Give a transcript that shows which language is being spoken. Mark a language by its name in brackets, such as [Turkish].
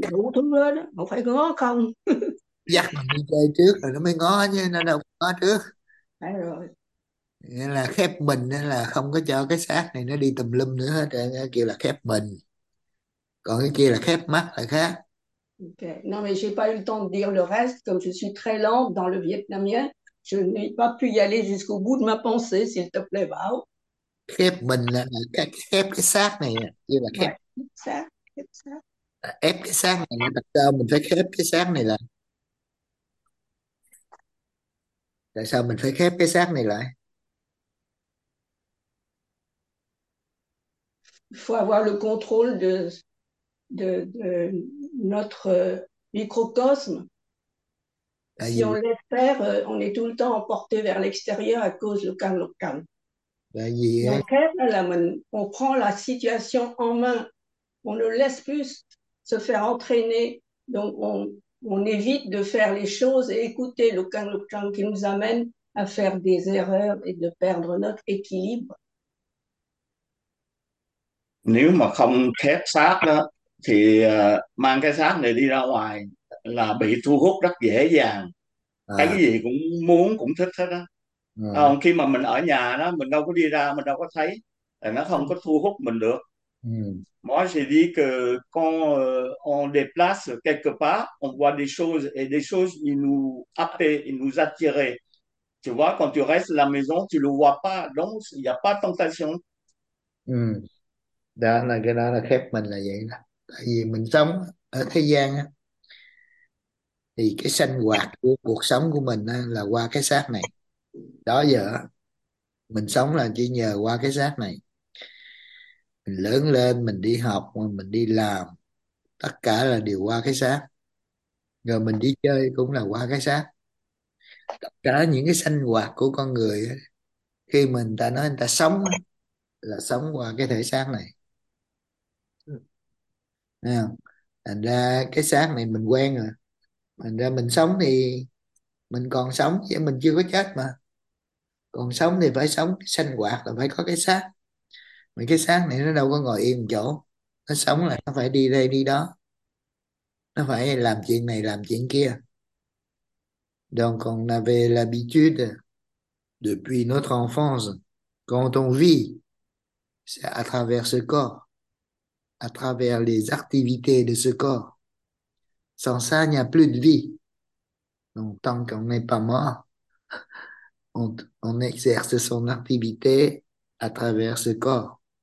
[Vietnamese] đủ thứ hết đó, không phải ngó không dắt mình đi chơi trước rồi nó mới ngó chứ, nó đâu ngó trước. rồi. Nghĩa là khép mình là không có cho cái xác này nó đi tùm lum nữa hết, nghe kêu là khép mình. Còn cái kia là khép mắt là khác. Okay. [French] Non, mais je n'ai pas eu le temps de dire le reste, comme je suis très lente dans le vietnamien. Je n'ai pas pu y aller jusqu'au bout de ma pensée, s'il te plaît, Bao. [Vietnamese] Khép mình là khép cái xác này, kêu là khép. [French] Ouais, ça, c'est ça. [Vietnamese] Ép cái xác này, tại sao mình phải khép cái xác này lại? Tại sao mình phải khép cái xác này lại? [French] Faut avoir le contrôle de notre microcosme. [Vietnamese] Tại [French] Si [Vietnamese] vì [French] on laisse faire, on est tout le temps emporté vers l'extérieur à cause du karma local. Donc, là, on prend la situation en main. On ne laisse plus se faire entraîner. Donc, on évite de faire les choses et écouter le karma local qui nous amène à faire des erreurs et de perdre notre équilibre. [Vietnamese] nếu mà không khép xác đó thì mang cái xác này đi ra ngoài là bị thu hút rất dễ dàng, cái gì cũng muốn cũng thích hết đó. Còn khi mà mình ở nhà đó, mình đâu có đi ra, mình đâu có thấy, là nó không có thu hút mình được. [French] Moi, j'ai dit que quand on déplace quelque part, on voit des choses et des choses ils nous happaient, ils nous attiraient. Tu vois, quand tu restes à la maison, tu le vois pas, donc il n'y a pas tentation. [Vietnamese] Đó là cái đó là khép mình là vậy đó. Tại vì mình sống ở thế gian á, thì cái sinh hoạt của cuộc sống của mình á, là qua cái xác này. Đó giờ á, mình sống là chỉ nhờ qua cái xác này. Mình lớn lên, mình đi học, mình đi làm, tất cả là đều qua cái xác. Rồi mình đi chơi cũng là qua cái xác. Tất cả những cái sinh hoạt của con người á, khi mà người ta nói người ta sống á, là sống qua cái thể xác này. Thấy không? Thành ra cái xác này mình quen rồi, thành ra mình sống thì mình còn sống chứ mình chưa có chết mà. Còn sống thì phải sống, sinh hoạt là phải có cái xác. Mà cái xác này nó đâu có ngồi yên một chỗ, nó sống là nó phải đi đây đi đó, nó phải làm chuyện này làm chuyện kia. [French] Donc on avait l'habitude depuis notre enfance, quand on vit, c'est à travers ce corps, à travers les activités de ce corps. Sans ça, il n'y a plus de vie. Donc, tant qu'on n'est pas mort, on exerce son activité à travers ce corps.